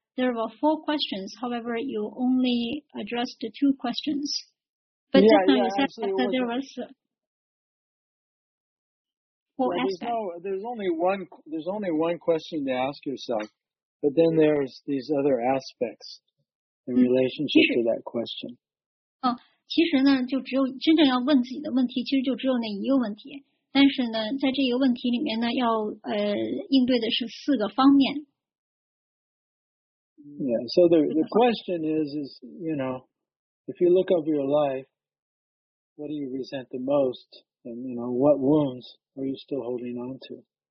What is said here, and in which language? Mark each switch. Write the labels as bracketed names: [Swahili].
[English] There were four questions. However, you only addressed the two questions. But yeah, you said that there was four aspects. There's only one question to ask yourself. But then there's these other aspects in relationship to that question. [Chinese] 其实呢，就只有真正要问自己的问题，其实就只有那一个问题。但是呢，在这个问题里面呢，要应对的是四个方面。 [English] Yeah, so the question is, you know, if you look over your life, what do you resent the most? And, you know, what wounds are you still holding on to?